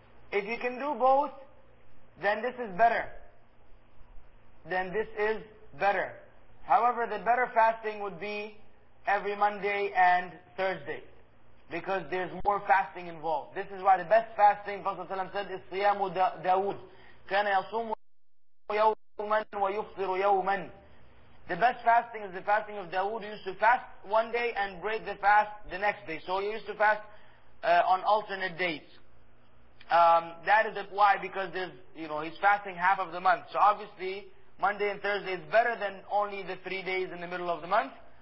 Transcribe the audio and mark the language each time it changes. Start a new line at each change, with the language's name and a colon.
English: If you can do both, then this is better. Then this is better. However, the better fasting would be every Monday and Thursday, because there's more fasting involved. This is why the best fasting, Prophet ﷺ said, is Siyam Dawood.
Arabic: كان يصوم يوما ويفطر يوما.
English: The best fasting is the fasting of Dawood. He used to fast one day and break the fast the next day. So he used to fast on alternate days. That is why, because there's, you know, he's fasting half of the month. So obviously, Monday and Thursday is better than only the 3 days in the middle of the month.